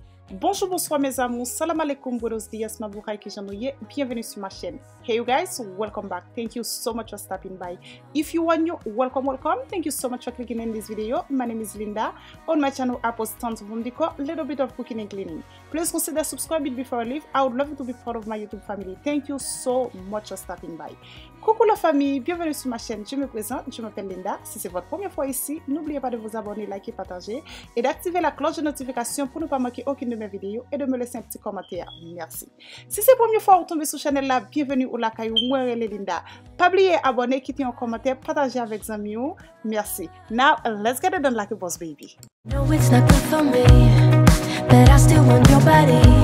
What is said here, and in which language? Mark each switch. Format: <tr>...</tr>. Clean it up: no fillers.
<fr>Bonjour, bonsoir mes amours, salam alaikum,</fr> <es>buenos dias,</es> <fr>mabukai ki janouye, bienvenue sur ma chaîne.</fr> <en>Hey you guys, welcome back, thank you so much for stopping by. If you are new, welcome, welcome, thank you so much for clicking in this video. My name is Linda, on my channel I post tons of home decor, little bit of cooking and cleaning. Please consider subscribing before I leave, I would love to be part of my YouTube family. Thank you so much for stopping by.</en> <fr>Coucou la famille, bienvenue sur ma chaîne, je me présente, je m'appelle Linda. Si c'est votre première fois ici, n'oubliez pas de vous abonner, liker, partager et d'activer la cloche de notification pour ne pas manquer aucune de mes vidéos et de me laisser un petit commentaire. Merci. Si c'est la première fois que vous tombez sur la chaîne là, bienvenue ou la caillou, moi et Linda. Pas oublier d'abonner, quitter un commentaire, partager avec vos amis. Merci.</fr> <en>Now, let's get it done like a boss baby. No, it's not good for me, but I still want your body.</en>